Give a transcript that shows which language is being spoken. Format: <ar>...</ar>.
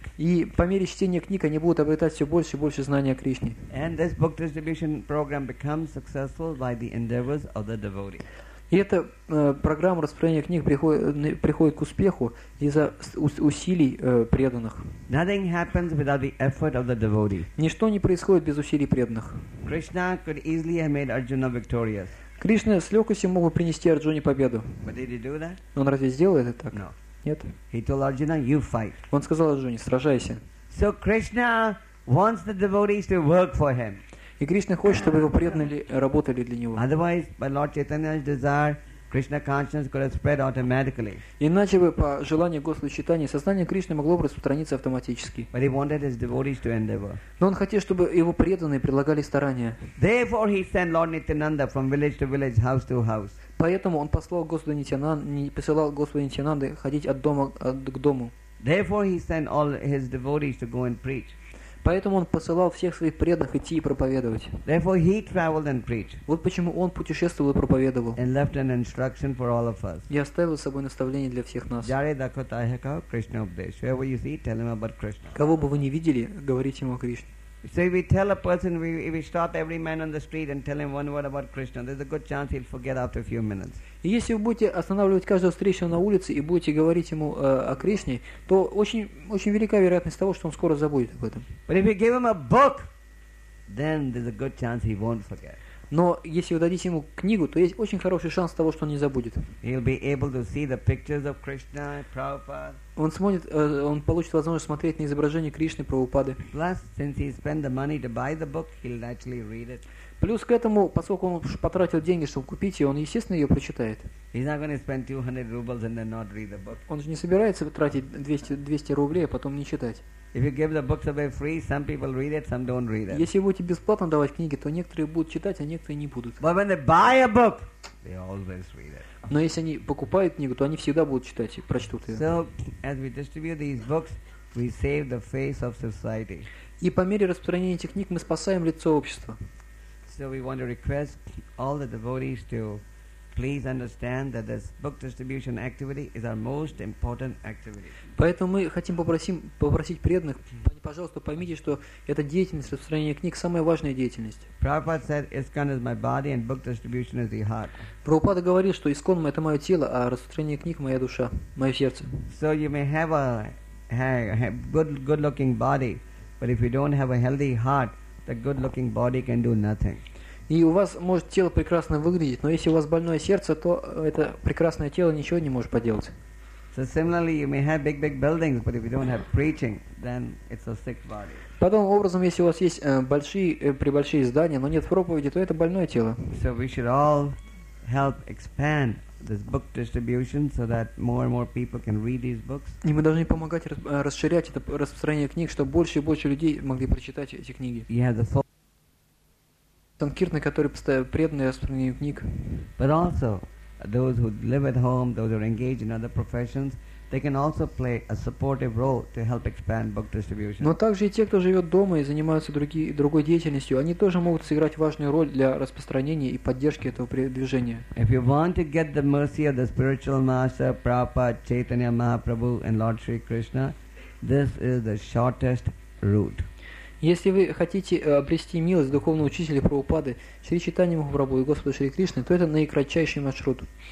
<ru>И по мере чтения книг они будут обретать все больше и больше знания о Кришне.</ru> <en>And this book distribution program becomes successful by the endeavors of the devotee.</en> <ru>И эта программа распространения книг приходит к успеху из-за усилий преданных.</ru> <en>Nothing happens without the effort of the devotee.</en> <ru>Ничто не происходит без усилий преданных.</ru> <en>Krishna could easily have made Arjuna victorious.</en> <ru>Кришна с легкостью мог бы принести Арджуне победу.</ru> <en>But did he do that?</en> <ru>Но он разве сделал это так?</ru> <en>No.</en> <ru>Нет.</ru> <en>He told Arjuna, you fight.</en> <ru>Он сказал Арджуне, сражайся.</ru> <en>So Krishna wants the devotees to work for him.</en> <ru>И Кришна хочет, чтобы его преданные работали для него.</ru> <en>Otherwise, by Lord Chaitanya's desire, Krishna consciousness could have spread automatically.</en> <ru>Иначе бы по желанию Господа Чайтаньи сознание Кришны могло бы распространиться автоматически.</ru> <en>But he wanted his devotees to endeavor.</en> <ru>Но он хотел, чтобы его преданные прилагали старания.</ru> <en>Therefore, he sent Lord Nityananda from village to village, house to house.</en> <ru>Поэтому он посылал Господа Нитянанды ходить от дома к дому.</ru> <en>Therefore, he sent all his devotees to go and preach.</en> <ru>Поэтому он посылал всех своих преданных идти и проповедовать.</ru> <en>Therefore he traveled and preached.</en> <ru>Вот почему он путешествовал и проповедовал.</ru> <en>And left an instruction for all of us.</en> <ru>И оставил с собой наставление для всех нас.</ru> <bn>Jare dakotaihaka Krishna obdesh.</bn> <en>Whoever you see, tell him about Krishna.</en> <ru>Кого бы вы ни видели, говорите ему о Кришне.</ru> <en>So if we tell a person, if we stop every man on the street and tell him one word about Krishna, there's a good chance he'll forget after a few minutes.</en> <ru>И если вы будете останавливать каждого встречного на улице и будете говорить ему о Кришне, то очень, очень велика вероятность того, что он скоро забудет об этом.</ru> <en>But if you give him a book, then there's a good chance he won't forget.</en> <ru>Но если вы дадите ему книгу, то есть очень хороший шанс того, что он не забудет.</ru> <en>He'll be able to see the pictures of Krishna, Prabhupada.</en> <ru>Он смотрит, он получит возможность смотреть на изображение Кришны, Прабхупады.</ru> <en>Plus, since he spent the money to buy the book, he'll actually read it.</en> <ru>Плюс к этому, поскольку он потратил деньги, чтобы купить ее, он, естественно, ее прочитает.</ru> <en>He's not going to spend 200 rubles and then not read the book.</en> <ru>Он же не собирается тратить 200 рублей, а потом не читать.</ru> <en>If you give the books away free, some people read it, some don't read it.</en> <ru>Если будете бесплатно давать книги, то некоторые будут читать, а некоторые не будут.</ru> <en>But when they buy a book, they always read it.</en> <ru>Но если они покупают книгу, то они всегда будут читать и прочтут ее.</ru> <en>So, as we distribute these books, we save the face of society.</en> <ru>И по мере распространения этих книг мы спасаем лицо общества.</ru> <en>So we want to request all the devotees to please understand that this book distribution activity is our most important activity.</en> <ru>Поэтому мы хотим попросить преданных, пожалуйста, поймите, что эта деятельность распространения книг самая важная деятельность.</ru> <en>Prabhupada said, "Iskcon is my body, and book distribution is the heart."</en> <ru>Прабхупада говорил, что искон мое — это мое тело, а распространение книг — моя душа, мое сердце.</ru> <en>So you may have a good-looking body, but if you don't have a healthy heart, the good-looking body can do nothing.</en> <ru>И у вас может тело прекрасно выглядеть, но если у вас больное сердце, то это прекрасное тело ничего не может поделать.</ru> <en>So similarly, you may have big buildings, but if you don't have preaching, then it's a sick body.</en> <ru>Подобным образом, если у вас есть большие здания, но нет проповеди, то это больное тело.</ru> <en>So we should all help expand this book distribution so that more and more people can read these books.</en> <ru>И мы должны помогать расширять это распространение книг, чтобы больше и больше людей могли прочитать эти книги. Санкиртны, которые постоянно преданы распространению книг.</ru> <en>But also those who live at home, those who are engaged in other professions, they can also play a supportive role to help expand book distribution.</en> <ru>Но также и те, кто живет дома и занимаются другой деятельностью, они тоже могут сыграть важную роль для распространения и поддержки этого движения.</ru> <en>If you want to get the mercy of the spiritual master, Prabhupada, Chaitanya Mahaprabhu, and Lord Sri Krishna, this is the shortest route.</en> <ru>Если вы хотите обрести милость духовного учителя Прабхупады, Шри Чайтанья Махапрабху и Господа Шри Кришны, то это наикратчайший маршрут.</ru>